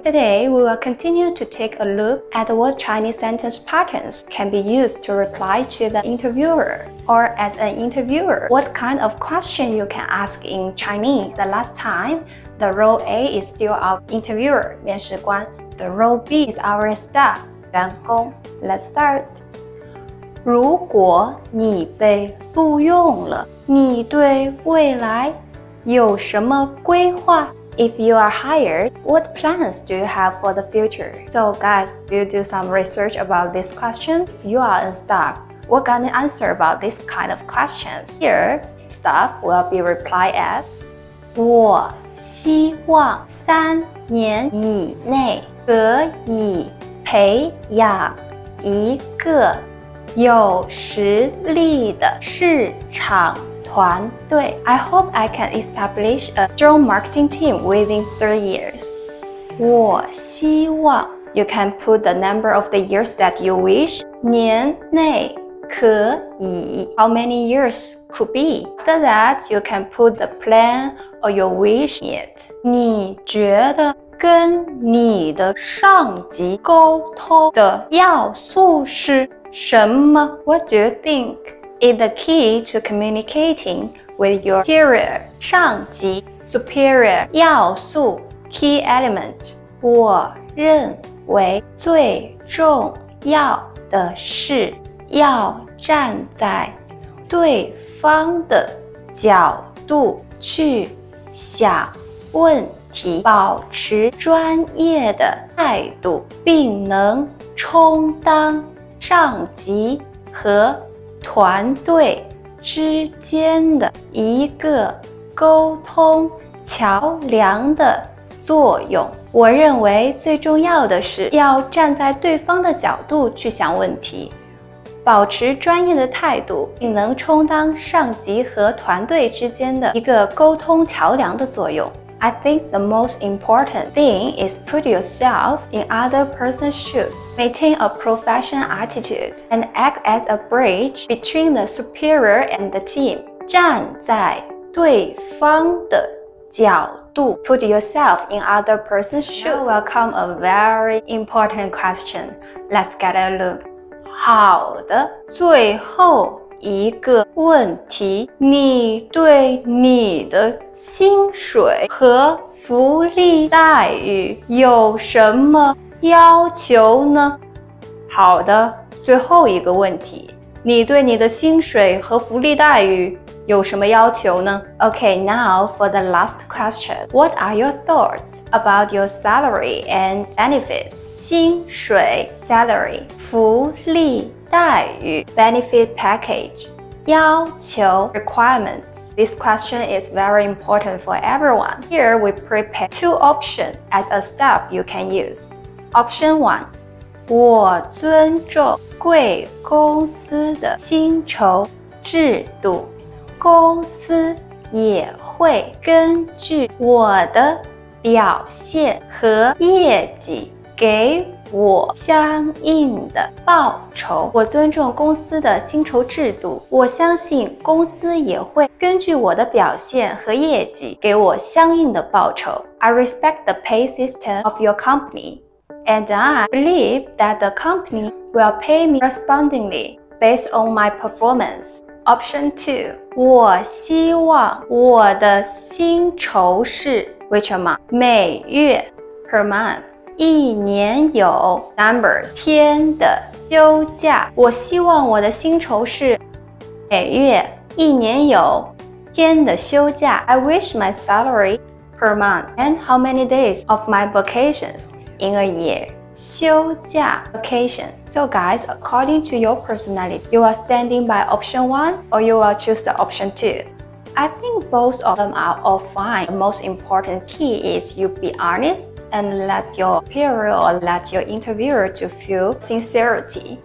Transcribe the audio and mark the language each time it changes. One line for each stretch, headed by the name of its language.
English: Today, we will continue to take a look at what Chinese sentence patterns can be used to reply to the interviewer, or as an interviewer, what kind of question you can ask in Chinese. The last time, the role A is still our interviewer, 面试官. The role B is our staff, 员工.Let's start.
Chinese: 如果你被录用了你对未来有什么规划?
English: If you are hired, what plans do you have for the future? So guys, you do some research about this question. If you are a staff, what kind of answer about this kind of questions? Here, staff will be replied as
Chinese: 我希望三年以内可以培养一个有实力的市场团队。
English: I hope I can establish a strong marketing team within 3 years.
Chinese: 我希望
English: You can put the number of the years that you wish.
Chinese: 年内可以
English: How many years could be? After that, you can put the plan or your wish in it.
Chinese: 你觉得跟你的上级沟通的要素是什么?
English: What do you think is the key to communicating with your superior?
Chinese: 上级
English: superior
Chinese: 要素
English: key element
Chinese: 我认为最重要的是要站在对方的角度去想问题保持专业的态度并能充当上级和团队之间的一个沟通桥梁的作用。我认为最重要的是要站在对方的角度去想问题，保持专业的态度，并能充当上级和团队之间的一个沟通桥梁的作用。
English: I think the most important thing is put yourself in other person's shoes. Maintain a professional attitude and act as a bridge between the superior and the team.
Chinese: 站在对方的角度
English: Put yourself in other person's shoes. Now will come a very important question. Let's get a look.
Chinese: 好的，最后一个问题，你对你的薪水和福利待遇有什么要求呢？好的，最后一个问题，你对你的薪水和福利待遇有什么要求呢?
English: Okay, now for the last question. What are your thoughts about your salary and benefits?
Chinese: 薪水
English: salary
Chinese: 福利待遇
English: benefit package
Chinese: 要求
English: requirements. This question is very important for everyone. Here we prepare 2 options as a staff you can use. Option 1.
Chinese: 我尊重贵公司的薪酬制度。公司也会根据我的表现和业绩给我相应的报酬。我尊重公司的薪酬制度，我相信公司也会根据我的表现和业绩给我相应的报酬。
English: I respect the pay system of your company, and I believe that the company will pay me correspondingly based on my performance. Option 2.
Chinese: 我希望我的薪酬是
English: Which amount?
Chinese: 每月
English: Per month
Chinese: 一年有
English: Numbers
Chinese: 天的休假我希望我的薪酬是每月一年有天的休假
English: I wish my salary per month and how many days of my vacations in a year? 休假 vacation. So guys, according to your personality, you are standing by option 1 or you will choose the option 2. I think both of them are all fine. The most important key is you be honest and let your superior or let your interviewer to feel sincerity.